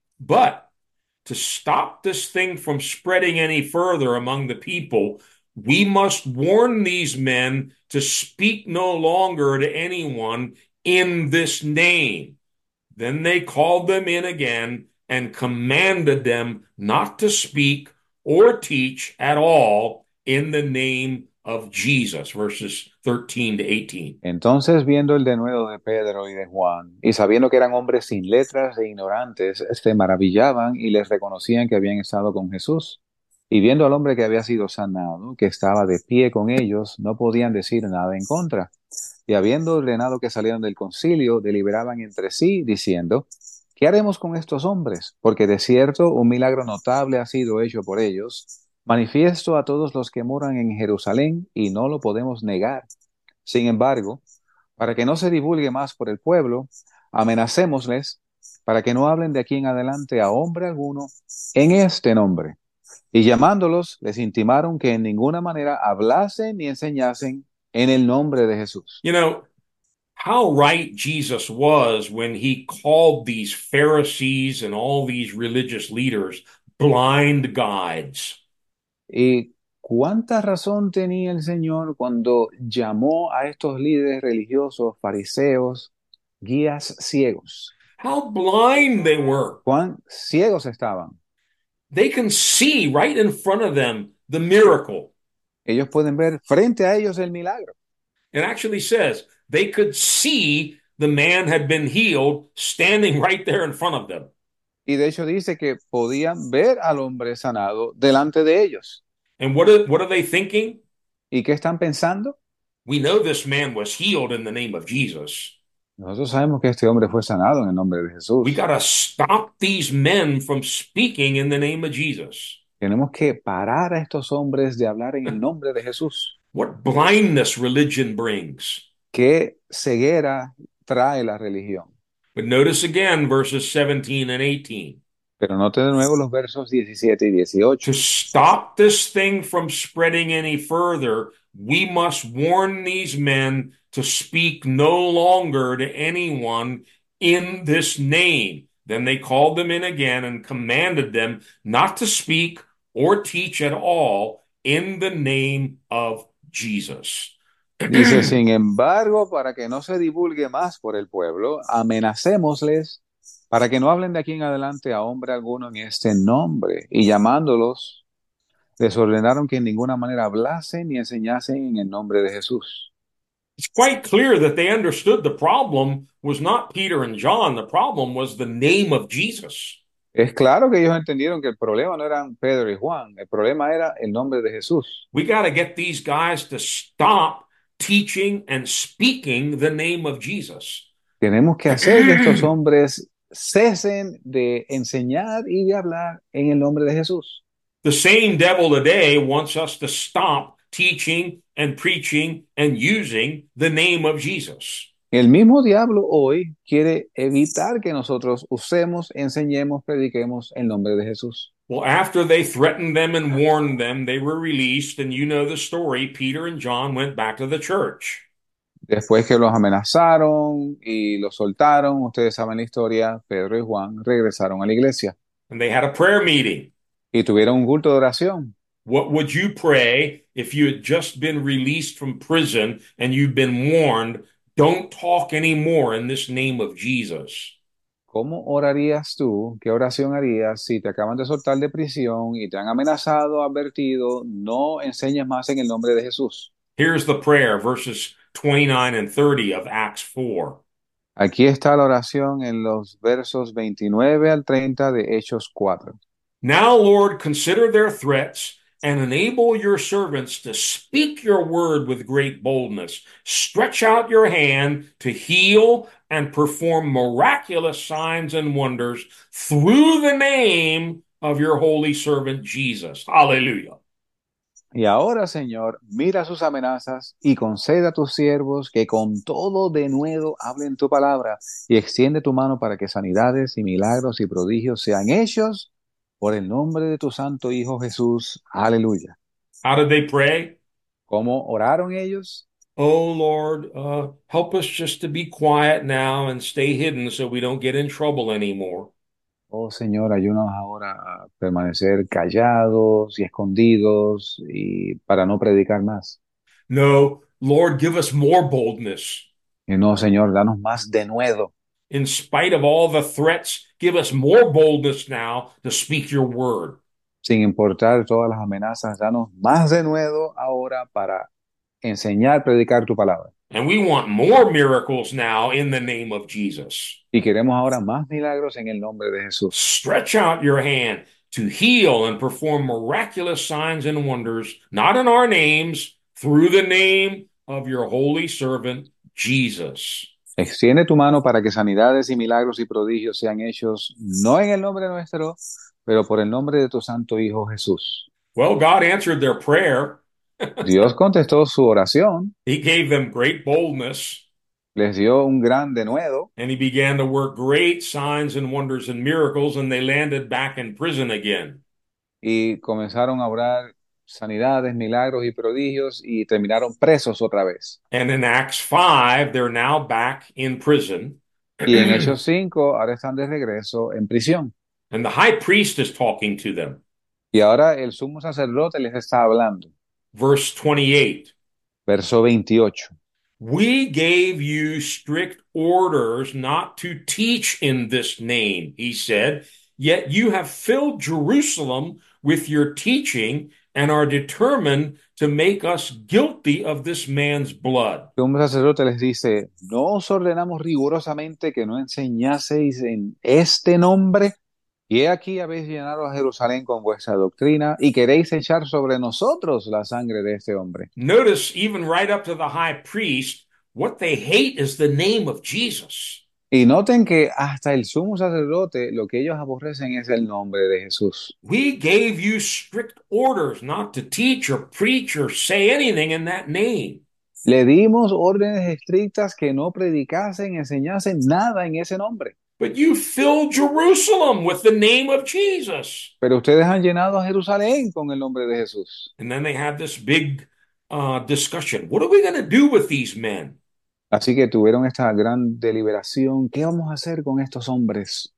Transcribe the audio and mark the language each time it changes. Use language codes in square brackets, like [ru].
[en] But to stop this thing from spreading any further among the people, we must warn these men to speak no longer to anyone in this name. Then they called them in again and commanded them not to speak or teach at all in the name of Jesus, verses 13 to 18. [es] Entonces, viendo el denuedo de Pedro y de Juan, y sabiendo que eran hombres sin letras e ignorantes, se maravillaban y les reconocían que habían estado con Jesús. Y viendo al hombre que había sido sanado, que estaba de pie con ellos, no podían decir nada en contra. Y habiendo ordenado que salieran del concilio, deliberaban entre sí, diciendo, ¿qué haremos con estos hombres? Porque de cierto, un milagro notable ha sido hecho por ellos, manifiesto a todos los que moran en Jerusalén, y no lo podemos negar. Sin embargo, para que no se divulgue más por el pueblo, amenacémosles para que no hablen de aquí en adelante a hombre alguno en este nombre. Y llamándolos, les intimaron que en ninguna manera hablasen ni enseñasen en el nombre de Jesús. [en] You know, how right Jesus was when he called these Pharisees and all these religious leaders blind guides. [es] Y ¿cuánta razón tenía el Señor cuando llamó a estos líderes religiosos, fariseos, guías ciegos? [en] How blind they were. [es] ¿Cuán ciegos estaban? [en] They can see right in front of them the miracle. [es] Ellos pueden ver frente a ellos el milagro. [en] It actually says they could see the man had been healed standing right there in front of them. [es] Y de hecho dice que podían ver al hombre sanado delante de ellos. [en] And what are they thinking? [es] ¿Y qué están pensando? [en] We know this man was healed in the name of Jesus. [es] Nosotros sabemos que este hombre fue sanado en el nombre de [en] We [es] Jesús. [en] gotta stop these men from speaking in the name of Jesus. [es] Tenemos que parar a estos hombres de hablar en el nombre de Jesús. [en] What blindness religion brings. [es] ¿Qué ceguera trae la religión? [en] But notice again verses 17 and 18. [es] Pero note de nuevo los versos 17 y 18. [en] To stop this thing from spreading any further, we must warn these men to speak no longer to anyone in this name. Then they called them in again and commanded them not to speak or teach at all in the name of Jesus. [es] Dice, sin embargo, para que no se divulgue más por el pueblo, amenacémosles para que no hablen de aquí en adelante a hombre alguno en este nombre. Y llamándolos, les ordenaron que en ninguna manera hablasen ni enseñasen en el nombre de Jesús. [en] Quite clear that they understood the problem was not Peter and John, the problem was the name of Jesus. [es] Es claro que ellos entendieron que el problema no eran Pedro y Juan, el problema era el nombre de Jesús. [en] We got to get these guys to stop teaching and speaking the name of Jesus. [es] Tenemos que hacer que estos hombres cesen de enseñar y de hablar en el nombre de Jesús. [en] The same devil today wants us to stop teaching and preaching and using the name of Jesus. [es] El mismo diablo hoy quiere evitar que nosotros usemos, enseñemos, prediquemos el nombre de Jesús. [en] Well, after they threatened them and warned them, they were released, and you know the story. Peter and John went back to the church. [es] Después que los amenazaron y los soltaron, ustedes saben la historia, Pedro y Juan regresaron a la iglesia [en] And they had a prayer meeting. [es] y tuvieron un culto de oración. [en] What would you pray if you had just been released from prison and you'd been warned, don't talk anymore in this name of Jesus? [es] ¿Cómo orarías tú? ¿Qué oración harías si te acaban de soltar de prisión y te han amenazado, advertido, no enseñes más en el nombre de Jesús? [en] Here's the prayer, verses 29 and 30 of Acts 4. [es] Aquí está la oración en los versos 29 al 30 de Hechos 4. [en] Now, Lord, consider their threats. And enable your servants to speak your word with great boldness. Stretch out your hand to heal and perform miraculous signs and wonders through the name of your holy servant Jesus. Hallelujah. [es] Y ahora, Señor, mira sus amenazas y concede a tus siervos que con todo denuedo hablen tu palabra y extiende tu mano para que sanidades y milagros y prodigios sean hechos por el nombre de tu santo Hijo Jesús. Aleluya. [en] How did they pray? [es] ¿Cómo oraron ellos? [en] Oh Lord, help us just to be quiet now and stay hidden so we don't get in trouble anymore. [es] Oh Señor, ayúdanos ahora a permanecer callados y escondidos y para no predicar más. [en] No, Lord, give us more boldness. [es] Y no, Señor, danos más denuedo. [en] In spite of all the threats, give us more boldness now to speak your word. [es] Sin importar todas las amenazas, danos más denuedo ahora para enseñar, predicar tu palabra. [en] And we want more miracles now in the name of Jesus. [es] Y queremos ahora más milagros en el nombre de Jesús. [en] Stretch out your hand to heal and perform miraculous signs and wonders, not in our names, through the name of your holy servant, Jesus. [es] Extiende tu mano para que sanidades y milagros y prodigios sean hechos, no en el nombre nuestro, pero por el nombre de tu santo Hijo Jesús. [en] Well, God answered their prayer. [es] Dios contestó su oración. [en] He gave them great boldness, [es] Les dio un gran denuedo. [en] and he began to work great signs and wonders and miracles, and they landed back in prison again. [es] Y comenzaron a obrar sanidades, milagros y prodigios y terminaron presos otra vez. [en] And in Acts 5, they're now back in prison. [es] Y en Hechos 5, ahora están de regreso en prisión. [en] And the high priest is talking to them. [es] Y ahora el sumo sacerdote les está hablando. [en] Verse 28. [es] Verso 28. [en] We gave you strict orders not to teach in this name, he said, yet you have filled Jerusalem with your teaching and are determined to make us guilty of this man's blood. [es] Un sacerdote les dice: No os ordenamos rigurosamente que no enseñaseis en este nombre, Y he aquí habéis llenado a Jerusalén con vuestra doctrina y queréis echar sobre nosotros la sangre de este hombre. [en] Notice, even right up to the high priest, what they hate is the name of Jesus. [es] Y noten que hasta el sumo sacerdote lo que ellos aborrecen es el nombre de Jesús. [en] We gave you strict orders not to teach or preach or say anything in that name. [es] Le dimos órdenes estrictas que no predicasen, enseñasen nada en ese nombre. [en] But you filled Jerusalem with the name of Jesus. [es] Pero ustedes han llenado a Jerusalén con el nombre de Jesús. [en] And then they had this big discussion. What are we going to do with these men? [es] Así que tuvieron esta gran deliberación. ¿Qué vamos a hacer con estos hombres?